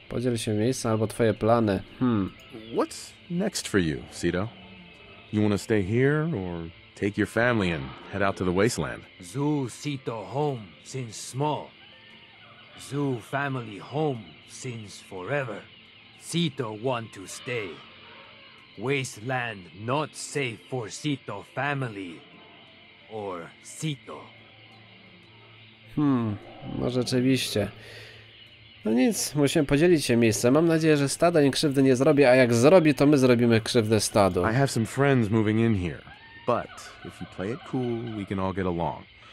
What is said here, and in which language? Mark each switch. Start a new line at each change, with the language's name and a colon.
Polish: Podziel się miejscem albo twoje plany.
English: What's next for you, Cito? You wanna stay here or Take your family and head out to the wasteland. Zoo Sito home since small. Zoo family home since forever. Sito want to stay. Wasteland not safe for Sito family. Or Sito.
Polish: No rzeczywiście. No nic, musimy podzielić się miejscem. Mam nadzieję, że stado im krzywdy nie zrobi, a jak zrobi, to my zrobimy krzywdę stadu.
English: I have some friends moving in here. But if you play it cool, we can all get along.